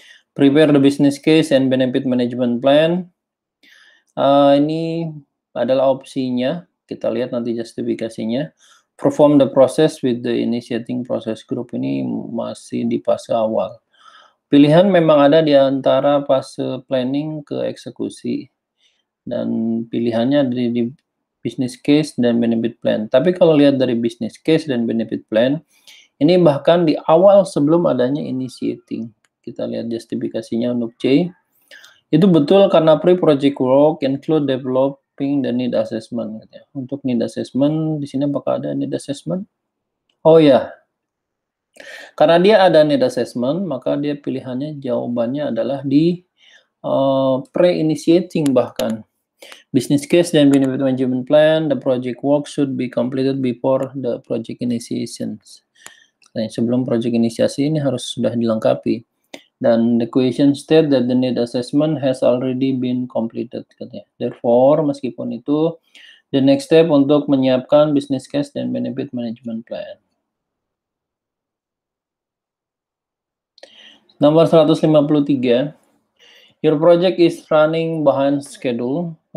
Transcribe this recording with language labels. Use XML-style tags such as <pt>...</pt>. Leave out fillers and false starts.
<en>Prepare the business case and benefit management plan.</en> <id>Ini adalah opsinya, kita lihat nanti justifikasinya.</id> <en>Perform the process with the initiating process group,</en> <id>ini masih di fase awal. Pilihan memang ada di antara fase planning ke eksekusi. Dan pilihannya ada di business case dan benefit plan. Tapi kalau lihat dari business case dan benefit plan, ini bahkan di awal sebelum adanya initiating. Kita lihat justifikasinya untuk C. Itu betul karena</id> <en>pre-project work include developing the need assessment.</en> <id>Untuk need assessment, di sini apakah ada need assessment? Oh ya. Karena dia ada need assessment, maka dia pilihannya jawabannya adalah di pre-initiating bahkan.</id> <en>business case dan benefit management plan, the project work should be completed before the project initiation.</en> <id>Sebelum project inisiasi ini harus sudah dilengkapi.</id> <en>Dan the question state that the need assessment has already been completed. Therefore,</en> <id>meskipun itu,</id> <en>the next step</en> <id>untuk menyiapkan</id> <en>business case dan benefit management plan.</en> <id>Nomor 153,</id> <en>your project is running behind schedule.</en>